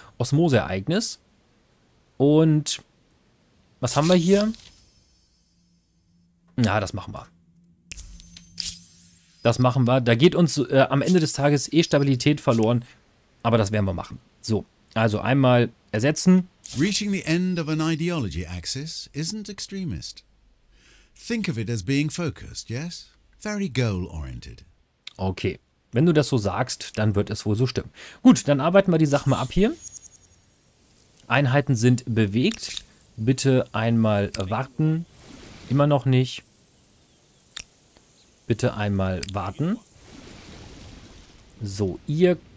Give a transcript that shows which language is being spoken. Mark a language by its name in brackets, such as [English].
[German] Osmoseereignis. Und was haben wir hier? Na, das machen wir. Das machen wir. Da geht uns am Ende des Tages eh Stabilität verloren. Aber das werden wir machen. So, also einmal ersetzen. [English] Reaching the end of an ideology axis isn't extremist. Think of it as being focused, yes? Very goal-oriented. [German] Okay, wenn du das so sagst, dann wird es wohl so stimmen. Gut, dann arbeiten wir die Sache mal ab hier. Einheiten sind bewegt. Bitte einmal warten. Immer noch nicht. Bitte einmal warten. So, ihr...